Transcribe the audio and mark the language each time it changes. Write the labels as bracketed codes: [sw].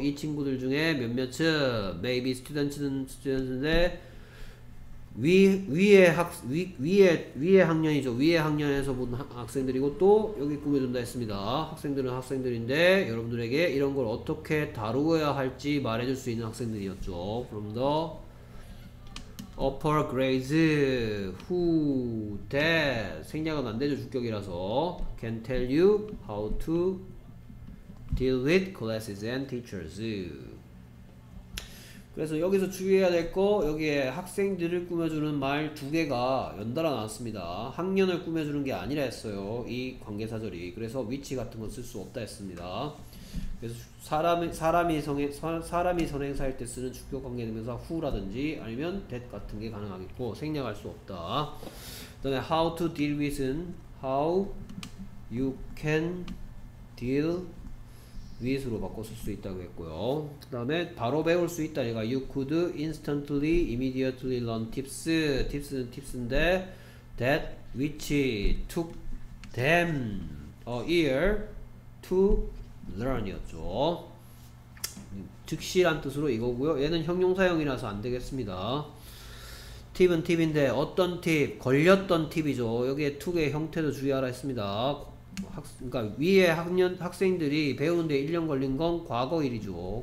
[ko] 이 친구들 중에 몇몇은 [en] maybe students [ko] 인데 위에 학년이죠. 위에 학년에서 본 학생들이고 또 여기 꾸며준다 했습니다. 학생들은 학생들인데 여러분들에게 이런 걸 어떻게 다루어야 할지 말해줄 수 있는 학생들이었죠. [en] From the upper grades who that [ko] 생략은 안 되죠. 주격이라서 [en] can tell you how to deal with classes and teachers. [ko] 그래서 여기서 주의해야 될 거, 여기에 학생들을 꾸며주는 말두 개가 연달아 나왔습니다. 학년을 꾸며주는 게 아니라 했어요. 이 관계사절이. 그래서 위치 같은 건쓸수 없다 했습니다. 그래서 사람이 선행사일 때 쓰는 주격 관계대명사 who라든지 아니면 that 같은 게 가능하겠고 생략할 수 없다. 그다음에 how to deal with은 [en] how you can deal with [ko] 로 바꿔 쓸수 있다고 했고요. 그 다음에 바로 배울 수 있다. 얘가 [en] you could instantly, immediately learn tips. [ko] tips는 tips인데 [en] that which took them a year to learn이었죠. [ko] 즉시란 뜻으로 이거고요. 얘는 형용사형이라서 안 되겠습니다. 팁은 팁인데 어떤 팁? 걸렸던 팁이죠. 여기에 took의 형태도 주의하라 했습니다. 그러니까 위에 학생들이 배우는데 1년 걸린 건 과거 일이죠.